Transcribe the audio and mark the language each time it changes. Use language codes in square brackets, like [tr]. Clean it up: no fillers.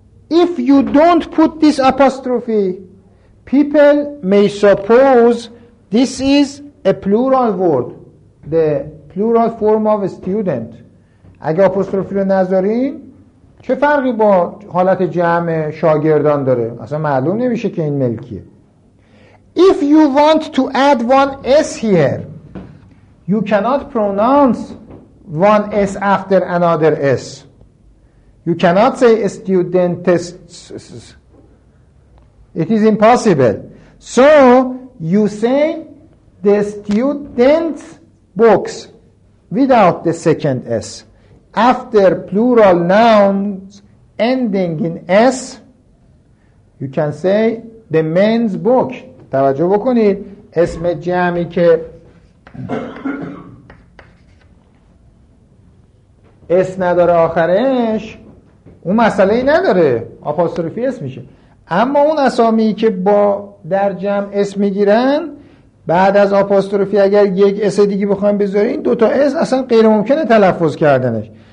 [en] If you don't put this apostrophe, people may suppose this is a plural word, the plural form of a student. [fa] اگه اپوستروفی رو نذارین چه فرقی با حالت جمع شاگردان داره؟ اصلا معلوم نمیشه که این ملکیه. [en] If you want to add one S here, you cannot pronounce one S after another S. You cannot say students. It is impossible. So you say the student's books without the second S. After plural nouns ending in S, you can say the men's book. [fa] توجه بکنید اسم جمعی که اس نداره آخرش اون مسئله ای نداره، آپاستروفی اس میشه. اما اون اسامی که با در جمع اس میگیرن بعد از آپاستروفی اگر یک اس دیگه بخوایم بذاریم، دوتا اس اصلا غیر ممکنه تلفظ کردنش.